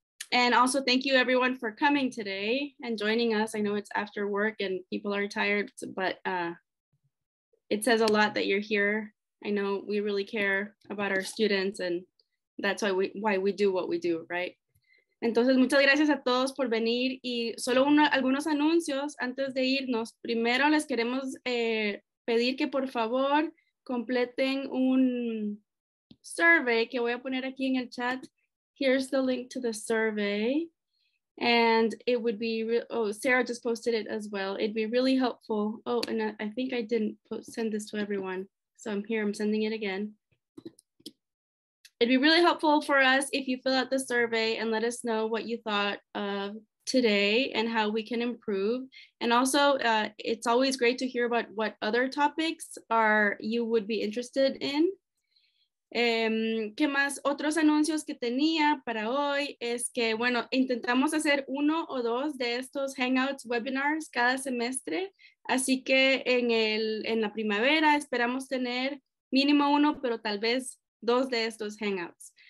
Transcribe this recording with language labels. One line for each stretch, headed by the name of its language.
English: And also thank you everyone for coming today and joining us. I know it's after work and people are tired, but it says a lot that you're here. I know we really care about our students and that's why we do what we do, right?
Spanish: Entonces, muchas gracias a todos por venir y solo algunos anuncios antes de irnos. Primero, les queremos pedir que por favor completen un survey que voy a poner aquí en el chat.
English: Here's the link to the survey. And it would be, Sarah just posted it as well. It'd be really helpful. Oh, and I think I didn't send this to everyone. So I'm here, I'm sending it again. It'd be really helpful for us if you fill out the survey and let us know what you thought of today and how we can improve. And also, it's always great to hear about what other topics are you would be interested in.
Spanish: ¿Qué más? Otros anuncios que tenía para hoy es que, bueno, intentamos hacer uno o dos de estos Hangouts webinars cada semestre, así que en la primavera esperamos tener mínimo uno, pero tal vez dos de estos Hangouts.